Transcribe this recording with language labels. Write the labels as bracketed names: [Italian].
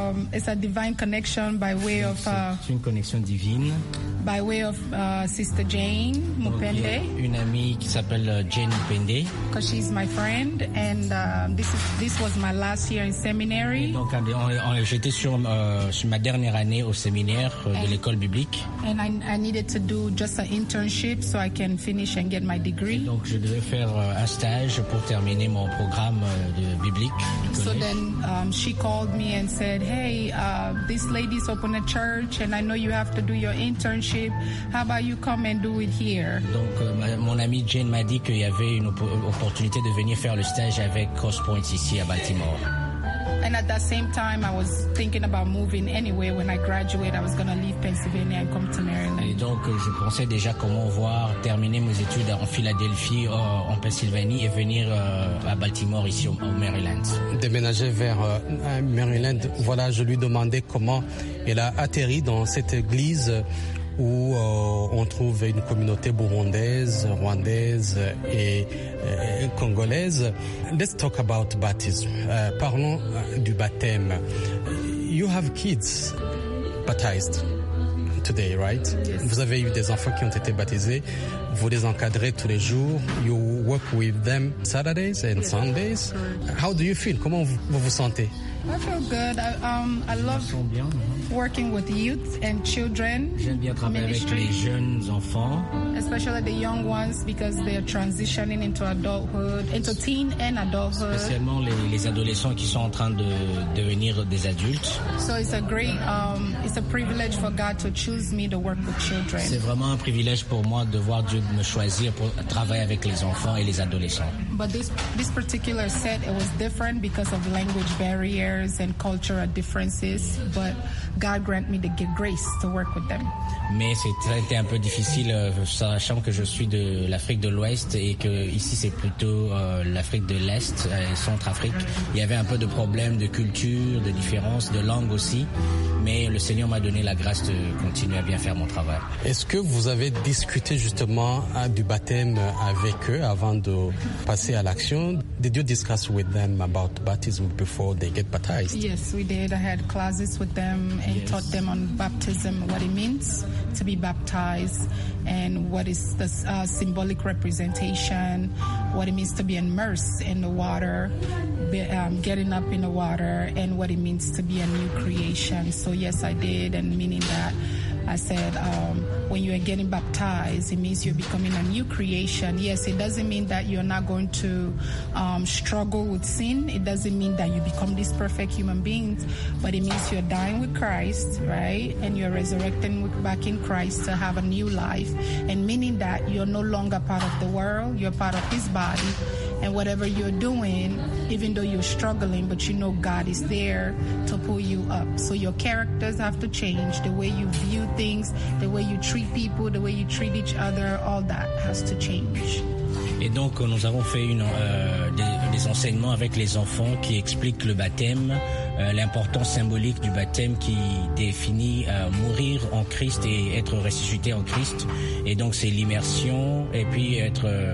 [English] It's a divine connection by way of. [French] C'est une connexion divine. [English] By way of Sister Jane Mupende. [French] Une amie qui s'appelle Jane Mupende. [English] Because she's my friend, and this was my last year in seminary. [French] J'étais sur ma dernière année au séminaire de l'école biblique. [English] And I needed to do just an internship so I can finish and get my degree. [French] Donc je devais faire un stage pour terminer mon programme de biblique. [English] So then she called me and said, hey, this lady's open a church and I know you have to do your internship. How about you come and do it here? [French] Donc mon amie Jane m'a dit qu'il y avait une opportunité de venir faire le stage avec Cross Point ici à Baltimore. [English] And at that same time, I was thinking about moving anyway. When I graduate, I was going to leave Pennsylvania and come to Maryland. [French] Et donc, je pensais déjà comment voir terminer mes études en Philadelphie, en Pennsylvanie, et venir à Baltimore, ici, au Maryland. Déménager vers Maryland. Voilà, je lui demandais comment elle a atterri dans cette église où on trouve une communauté burundaise, rwandaise et congolaise. [English] Let's talk about baptism. [French] Parlons du baptême. [English] You have kids baptized today, right? Yes. [French] Vous avez eu des enfants qui ont été baptisés. Vous les encadrez tous les jours. [English] You work with them Saturdays and yes. Sundays. Correct. How do you feel? [French] Comment vous vous sentez? [English] I feel good. I love working with youth and children. [French] J'aime bien travailler [English] ministry, [French] avec les jeunes enfants. [English] Especially the young ones because they are transitioning into adulthood, into teen and adulthood. [French] Spécialement les adolescents qui sont en train de devenir des adultes. [English] So it's a great, it's a privilege for God to choose me to work with children. [French] C'est vraiment un privilège pour moi de voir Dieu me choisir pour travailler avec les enfants et les adolescents. [English] But this particular set, it was different because of language barrier. And cultural differences, but God grant me the grace to work with them. [French] Mais c'était un peu difficile, sachant que je suis de l'Afrique de l'Ouest et que ici c'est plutôt l'Afrique de l'Est, Centrafrique. Il y avait un peu de problèmes de culture, de différences, de langue aussi. Mais le Seigneur m'a donné la grâce de continuer à bien faire mon travail. Est-ce que vous avez discuté justement du baptême avec eux avant de passer à l'action? [English] Did you discuss with them about baptism before they get baptized? Yes, we did. I had classes with them and yes. taught them on baptism, what it means to be baptized, and what is the symbolic representation, what it means to be immersed in the water, getting up in the water, and what it means to be a new creation. So yes, I did, and meaning that I said, when you are getting baptized, it means you're becoming a new creation. Yes, it doesn't mean that you're not going to struggle with sin. It doesn't mean that you become this perfect human being, but it means you're dying with Christ, right? And you're resurrecting back in Christ to have a new life. And meaning that you're no longer part of the world, you're part of his body. And whatever you're doing, even though you're struggling, but you know God is there to pull you up. So your characters have to change, the way you view things, the way you treat people, the way you treat each other, all that has to change. [French] Et donc, nous avons fait des enseignements avec les enfants qui expliquent le baptême, l'importance symbolique du baptême qui définit mourir en Christ et être ressuscité en Christ. Et donc, c'est l'immersion et puis être...